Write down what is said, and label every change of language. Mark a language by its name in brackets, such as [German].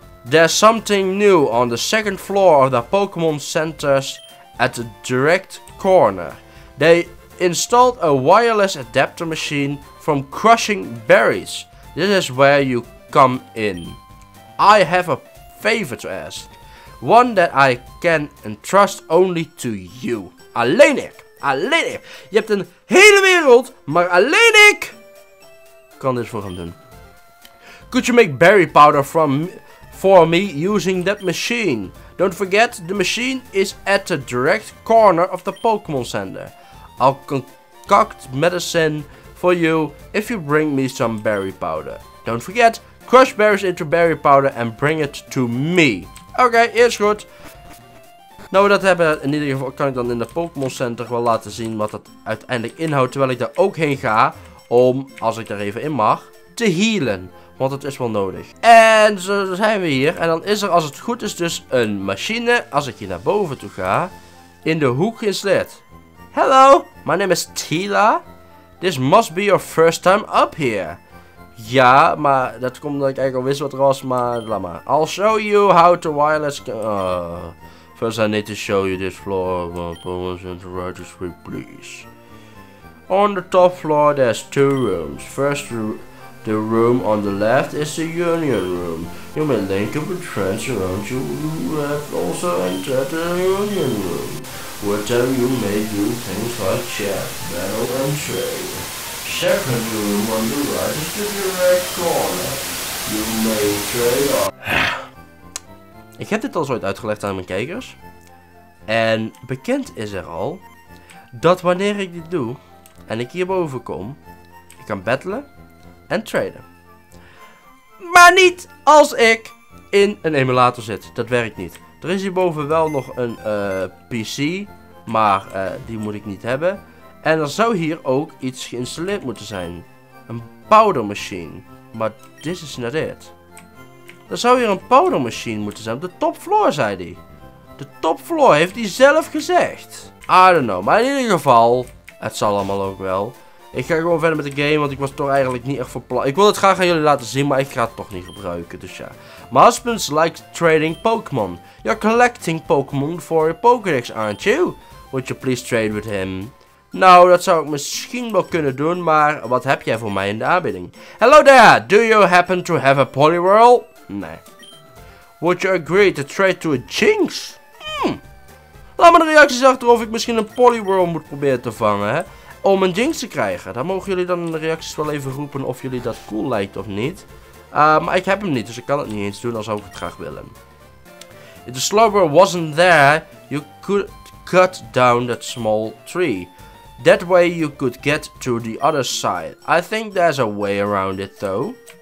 [English] There's something new on the second floor of the Pokémon Center's at the direct corner. They installed a wireless adapter machine from crushing berries. This is where you come in. I have a favor to ask. One that I can entrust only to you. [Dutch] Alleen ik. Alleen ik. Je hebt een hele wereld, maar alleen ik kan dit voor hem doen. [English] Could you make berry powder for me using that machine? Don't forget, the machine is at the direct corner of the Pokémon Center. I'll concoct medicine for you if you bring me some berry powder. Don't forget, crush berries into berry powder and bring it to me. [Dutch] Oké, is goed. Nou, we dat hebben, in ieder geval kan ik dan in de Pokémon Center wel laten zien wat dat uiteindelijk inhoudt. Terwijl ik daar ook heen ga om, als ik daar even in mag, te healen. Want het is wel nodig. En zo zijn we hier. En dan is er, als het goed is, dus een machine, als ik hier naar boven toe ga, in de hoek geïnstalleerd. [English] Hello, my name is Tila. This must be your first time up here. [Dutch] Ja, maar dat komt omdat ik eigenlijk al wist wat er was, maar laat maar. [English] I'll show you how to wireless... First I need to show you this floor of Pokémon Center Registry, please. On the top floor there's two rooms. First, the room on the left is the Union Room. You may link up with friends around you who have also entered the Union Room. With them you may do things like chat, battle and trade. Second room on the right is the direct corner. You may trade off. [Dutch] Ik heb dit al zo uitgelegd aan mijn kijkers. En bekend is er al dat wanneer ik dit doe en ik hierboven kom, ik kan battelen en traden. Maar niet als ik in een emulator zit. Dat werkt niet. Er is hierboven wel nog een PC, maar die moet ik niet hebben. En er zou hier ook iets geïnstalleerd moeten zijn. Een powder machine. Maar [English] this is not it. [Dutch] Er zou hier een powder machine moeten zijn. De top floor, zei hij. De top floor, heeft hij zelf gezegd. [English] I don't know, [Dutch] maar in ieder geval, het zal allemaal ook wel. Ik ga gewoon verder met de game, want ik was toch eigenlijk niet echt van plan. Ik wil het graag aan jullie laten zien, maar ik ga het toch niet gebruiken, dus ja. [English] My husband likes trading Pokémon. You're collecting Pokémon for your Pokédex, aren't you? Would you please trade with him? [Dutch] Nou, dat zou ik misschien wel kunnen doen, maar wat heb jij voor mij in de aanbieding? [English] Hello there, do you happen to have a Poliwhirl? [Dutch] Nee. [English] Would you agree to trade to a Jinx? [Dutch] Laat me de reacties achter of ik misschien een Poliwhirl moet proberen te vangen, hè? Om een Jinx te krijgen. Dan mogen jullie dan in de reacties wel even roepen of jullie dat cool lijkt of niet. Maar ik heb hem niet, dus ik kan het niet eens doen als ik het graag wil. [English] If the Slowbro wasn't there, you could cut down that small tree. That way you could get to the other side. I think there's a way around it though.